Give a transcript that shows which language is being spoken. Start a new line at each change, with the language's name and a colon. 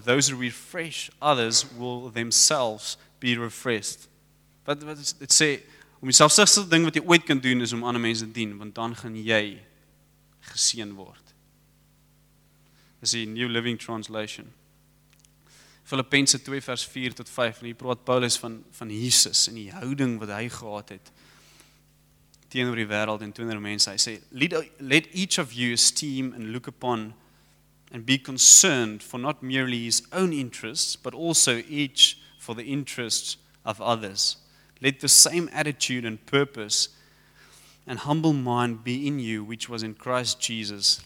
English: Those who refresh others will themselves be refreshed.
Afrikaans: Wat dit sê, om die selfsugtigste ding wat jy ooit kan doen is om ander mense dien, want dan gaan jy geseën word. Dis die New Living Translation. Filippense 2:4-5, en hier praat Paulus van Jesus en die houding wat hy gehad het teenoor die wêreld en teenoor mense. Hy sê,
English: let each of you esteem and look upon and be concerned for not merely his own interests, but also each for the interests of others. Let the same attitude and purpose and humble mind be in you, which was in Christ Jesus.